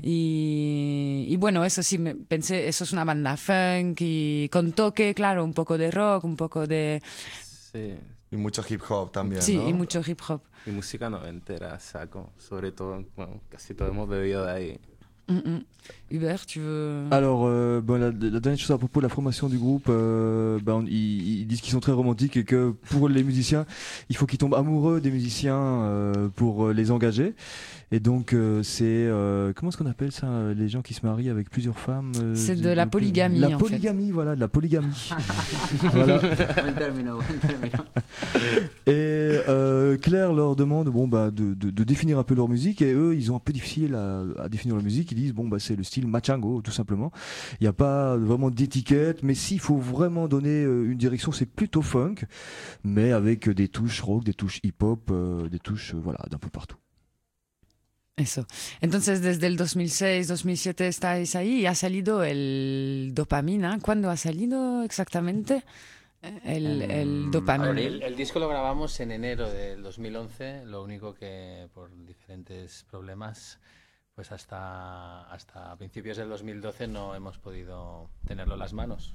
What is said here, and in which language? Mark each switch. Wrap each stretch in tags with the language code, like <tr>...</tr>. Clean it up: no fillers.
<es>Y bueno, eso sí, pensé, eso es una banda funk y con toque, claro, un poco de rock, un poco de... Sí. Y mucho hip hop también, sí, ¿no? Y mucho hip hop. Y música noventera, o sea, sobre todo, bueno, casi todo hemos bebido de ahí.</es> <fr>Mm-hmm. Hubert, tu veux... Alors, la dernière chose à propos de la formation du groupe, ils disent qu'ils sont très romantiques et que pour les musiciens, il faut qu'ils tombent amoureux des musiciens pour les engager. Et donc, c'est. Comment est-ce qu'on appelle ça, les gens qui se marient avec plusieurs femmes C'est de la polygamie. La polygamie, en fait. Voilà, de la polygamie. Voilà. Bon terme, bon terme. Et Claire leur demande de définir un peu leur musique. Et eux, ils ont un peu difficile à définir leur musique. Ils disent c'est le style machango, tout simplement. Il n'y a pas vraiment d'étiquette. Mais s'il faut vraiment donner une direction, c'est plutôt funk, mais avec des touches rock, des touches hip-hop, des touches d'un peu partout.</fr> <es>Eso. Entonces, desde el 2006, 2007 estáis ahí y ha salido el Dopamina. ¿Cuándo ha salido exactamente el Dopamina? El disco lo grabamos en enero del 2011, lo único que por diferentes problemas, pues hasta principios del 2012 no hemos podido tenerlo en las manos.</es>